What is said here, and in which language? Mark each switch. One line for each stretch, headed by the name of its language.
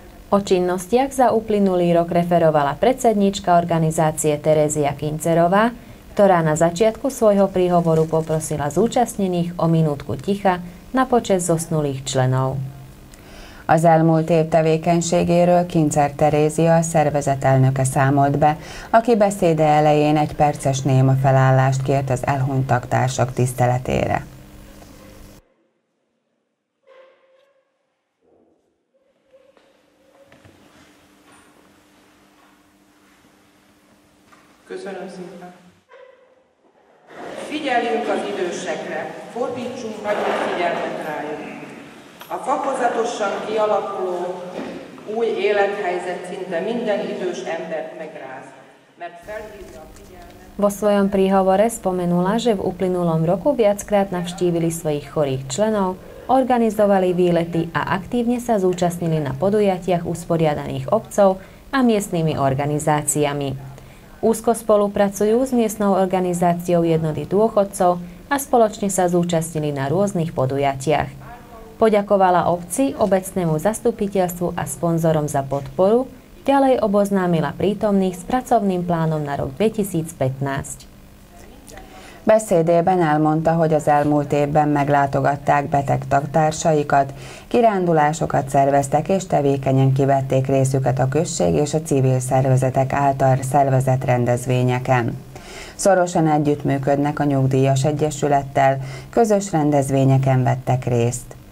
Slovak: O činnostiach za uplynulý rok referovala predsedníčka organizácie Terézia Kincerová, ktorá na začiatku svojho príhovoru poprosila zúčastnených o minútku ticha na počesť zosnulých členov.
Hungarian: Az elmúlt év tevékenységéről Kincer Terézia a szervezetelnöke számolt be, aki beszéde elején egy perces néma felállást kért az elhunytak társak tiszteletére. Köszönöm szépen! Figyeljünk az idősekre, fordítsunk nagyobb figyelmet rájuk. A fokozatosan kialakuló új élethelyzet szinte minden idős embert megráz, mert felhívja a figyelmet.
Slovak: Vo svojom príhovore spomenula, že v uplynulom roku viackrát navštívili svojich chorých členov, organizovali výlety a aktívne sa zúčastnili na podujatiach usporiadaných obcov a miestnymi organizáciami. Úzko spolupracujú s miestnou organizáciou Jednoty dôchodcov a spoločne sa zúčastnili na rôznych podujatiach. Poďakovala obci, obecnému zastupiteľstvu a sponzorom za podporu, ďalej oboznámila prítomných s pracovným plánom na rok 2015.
Hungarian: Beszédében elmondta, hogy az elmúlt évben meglátogatták beteg tagtársaikat, kirándulásokat szerveztek és tevékenyen kivették részüket a község és a civil szervezetek által szervezett rendezvényeken. Szorosan együttműködnek a nyugdíjas egyesülettel, közös rendezvényeken vettek részt.